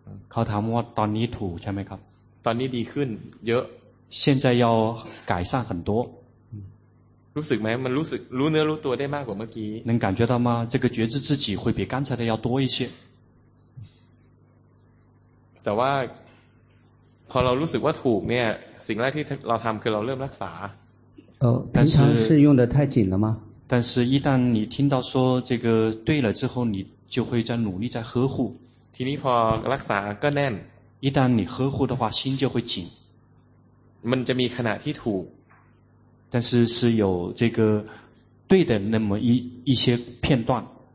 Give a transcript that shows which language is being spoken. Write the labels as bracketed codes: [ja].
[th] เขาถามว่าตอนนี้ถูกใช่ไหมครับ ตอนนี้ดีขึ้นเยอะ [zh] 现在要改善很多 [th] รู้สึกไหมมันรู้สึกรู้เนื้อรู้ตัวได้มากกว่าเมื่อกี้ [zh] 能感觉到吗这个觉知自己会比刚才的要多一些 [th] แต่ว่าพอเรารู้สึกว่าถูกเนี่ยสิ่งแรกที่เราทำคือเราเริ่มรักษา [zh] 平常是用的太紧了吗但是一旦你听到说这个对了之后你就会在努力在呵护 [th] ทีนี้พอรักษาก็แน่น [zh] 一旦你呵护的话心就会紧 [th] มันจะมีขณะที่ถูก [zh] 但是是有这个对的那么一些片段